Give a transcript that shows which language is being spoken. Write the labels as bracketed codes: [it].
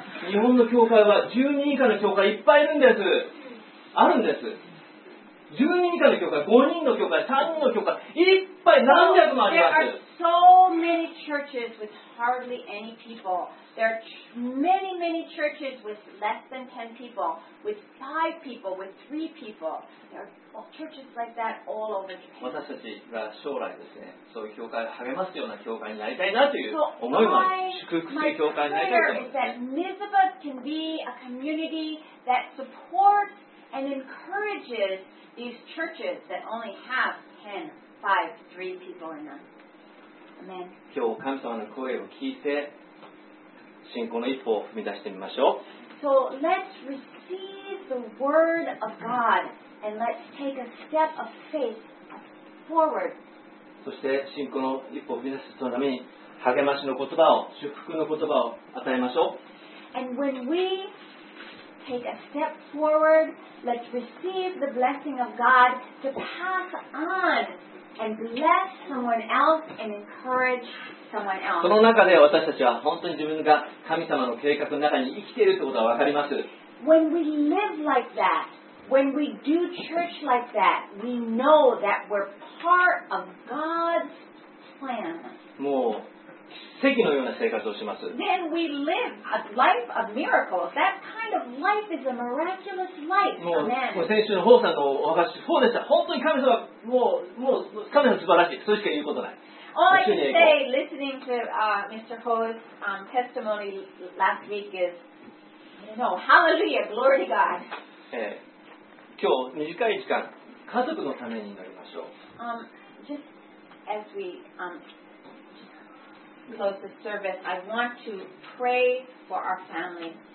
[ja] 日本の教会は10人以下の教会いっぱいいるんです。あるんです。 10人以下の教会、5人の教会、3人の教会、いっぱい何百もあります。 [en] There are so many churches with hardly any people. There are many, many churches with less than 10 people, with 5 people, with 3 people. There are churches like that all over Japan. [ja] 私たちが将来ですね、そういう教会を励ますような教会になりたいなという思いもある。祝福する教会になりたいと思います。 [en] My prayer is that Mizuba can be a community that supports and encourages These churches that only have 10, 5, 3 people in them. Amen. [ja] 今日神様の声を聞いて信仰の一歩を踏み出してみましょう。 [en] So let's receive the word of God and let's take a step of faith forward. [ja] そして信仰の一歩を踏み出すために励ましの言葉を祝福の言葉を与えましょう。 [en] And when we take a step forward,Let's receive the blessing of God to pass on and bless someone else and encourage someone else. [ja] その中で私たちは本当に自分が神様の計画の中に生きているということがわかります。 [en] When we live like that, when we do church like that, we know that we're part of God's plan. [ja] もう奇跡のような生活をします。 [en] Then we live a life of miracles. That kind of life is a miraculous life. [ja] もう先週のホーさんのお話、そうでした。本当に神様、もう神様素晴らしい。それしか言うことない。 [en] All I can say listening to Mr. Ho's testimony last week is, hallelujah, glory to God. [ja] 今日短い時間、家族のためになりましょう。 [en] Just as we Close the service. I want to pray for our family.